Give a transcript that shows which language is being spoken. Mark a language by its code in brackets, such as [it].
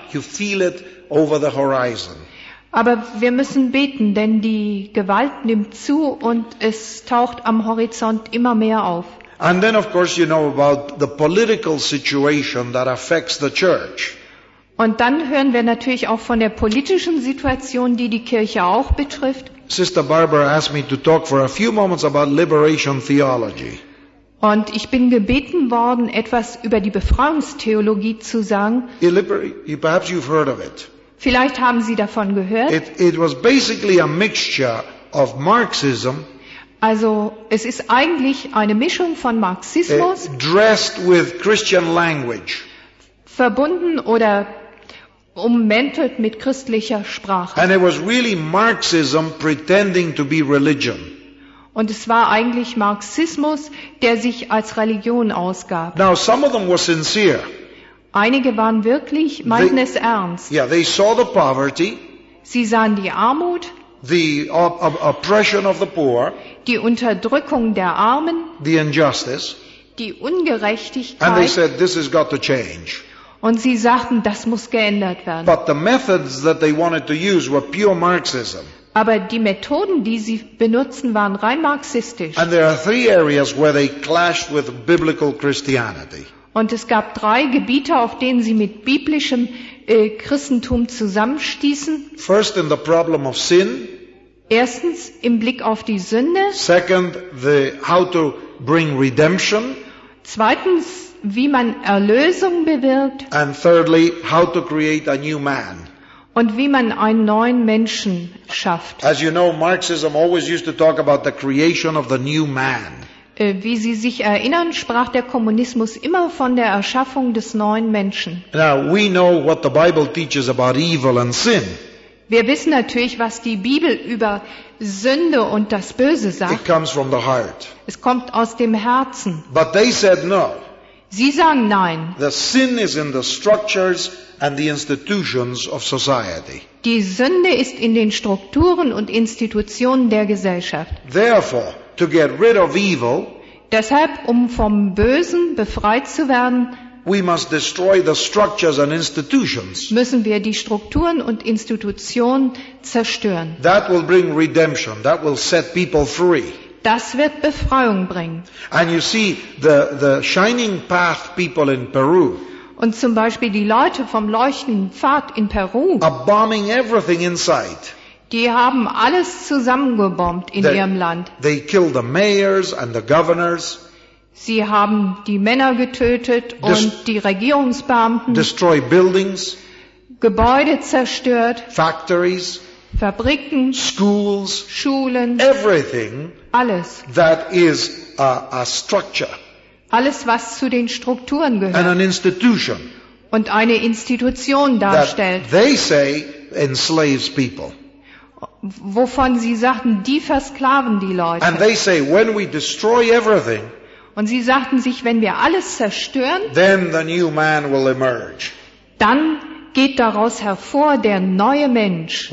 [en] You feel it over the horizon. [de] Aber wir müssen beten, denn die Gewalt nimmt zu und es taucht am Horizont immer mehr auf. [en] And then of course you know about the political situation that affects the church. [de] Und dann hören wir natürlich auch von der politischen Situation, die die Kirche auch betrifft. [en] Sister Barbara asked me to talk for a few moments about liberation theology. [de] Und ich bin gebeten worden, etwas über die Befreiungstheologie zu sagen. [en] Perhaps you've heard of it. [de] Vielleicht haben Sie davon gehört. [en] It was basically a mixture of Marxism. [de] Also, es ist eigentlich eine Mischung von Marxismus. [en] Dressed with Christian language. [de] Verbunden oder ummantelt mit christlicher Sprache. [en] And it was really Marxism pretending to be religion. [de] Und es war eigentlich Marxismus, der sich als Religion ausgab. [en] Now, some of them were sincere. [de] Einige waren wirklich, meinten es ernst. [en] Yeah, they saw the poverty. [de] Sie sahen die Armut. [en] The oppression of the poor. [de] Die Unterdrückung der Armen. [en] The injustice. [de] Die Ungerechtigkeit. [en] And they said, this has got to change. [de] Und sie sagten, das muss geändert werden. [en] But the methods that they wanted to use were pure Marxism. [de] Aber die Methoden, die sie benutzen, waren rein marxistisch. [en] And there are three areas where they clashed with biblical Christianity. [de] Und es gab drei Gebiete, auf denen sie mit biblischem Christentum zusammenstießen. [en] First in the problem of sin. [de] Erstens im Blick auf die Sünde. [en] Second, how to bring redemption. [de] Zweitens, wie man Erlösung bewirkt. [en] And thirdly, how to create a new man. [de] Und wie man einen neuen Menschen schafft. [en] As you know, Marxism always used to talk about the creation of the new man. [de] Wie Sie sich erinnern, sprach der Kommunismus immer von der Erschaffung des neuen Menschen. [en] Now, we know what the Bible teaches about evil and sin. [de] Wir wissen natürlich, was die Bibel über Sünde und das Böse sagt. [en] It comes from the heart. [de] Es kommt aus dem Herzen. [en] But they said no. [de] Sie sagen nein. [en] The sin is in the structures and the institutions of society. [de] Die Sünde ist in den Strukturen und Institutionen der Gesellschaft. [en] Therefore, to get rid of evil, [de] deshalb, um vom Bösen befreit zu werden, [en] we must destroy the structures and institutions. [de] Müssen wir die Strukturen und Institutionen zerstören. [en] That will bring redemption. That will set people free. [de] Das wird Befreiung bringen. [en] And you see, the shining path people in Peru. [de] Und zum Beispiel die Leute vom leuchtenden Pfad in Peru. [en] Are bombing everything inside. [de] Die haben alles zusammengebombt in ihrem Land. [en] They killed the mayors and the governors. [de] Sie haben die Männer getötet und die Regierungsbeamten. [en] Destroy buildings. [de] Gebäude zerstört. [en] Factories. [de] Fabriken. [en] Schools. [de] Schulen. [en] Everything. [de] Alles. [en] That is a structure. [de] Alles, was zu den Strukturen gehört. [en] And an institution. [de] Und eine Institution darstellt. [en] That they say enslaves people. [de] Wovon sie sagten, die versklaven die Leute. [en] And they say, when we destroy everything, [de] und sie sagten sich, wenn wir alles zerstören, [en] then the new man will emerge. [de] Dann geht daraus hervor der neue Mensch.